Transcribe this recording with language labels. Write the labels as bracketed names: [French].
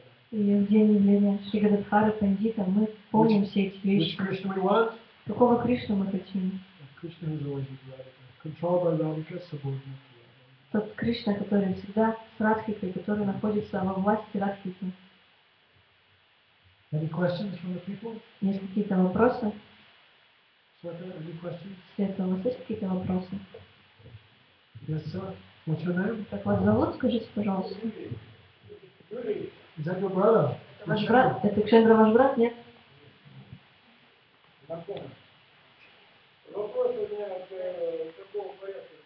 [Russian] И в день явления Шри Гададхары Пандита мы помним все эти вещи. [English] Which Krishna we want? [Russian] Какого Кришну мы хотим? [English] Krishna is always controlled by Radhika, subordinate to Radhika. [Russian] Тот Кришна, который всегда с Радхикой, который находится во власти Радхики. [English] Any questions from the people? [Russian] Есть какие-то вопросы? [English] Света, any questions? [Russian] Света, у вас есть какие-то вопросы? [English] Yes, sir. What's your name? [Russian] Как вас зовут? Скажите, пожалуйста. [English] Is that your brother? [Russian] Ваш брат? Это Кшендра ваш брат, нет? Вопрос у меня к такому порядку.